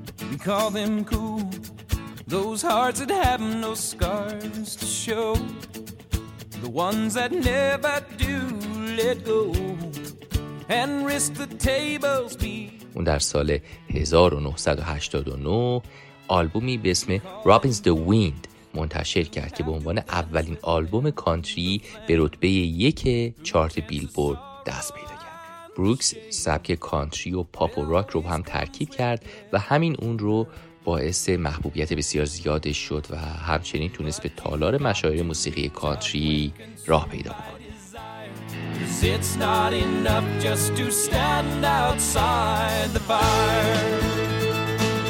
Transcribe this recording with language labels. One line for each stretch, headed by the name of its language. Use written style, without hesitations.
English: We call them cool, those hearts that have no scars to show, the ones that never do let go and risk the tables be.
Persian: اون در سال 1989 آلبومی به اسم Robins the Wind منتشر کرد که به عنوان اولین آلبوم کانتری به رتبه 1 چارت بیلبورد دست پیدا کرد. بروکس سبک کانتری و پاپ و راک رو هم ترکیب کرد و همین اون رو باعث محبوبیت بسیار زیادش شد و همچنین تونست به تالار مشاهیر موسیقی کانتری راه پیدا کنه.
English: It's not enough just to stand outside the fire.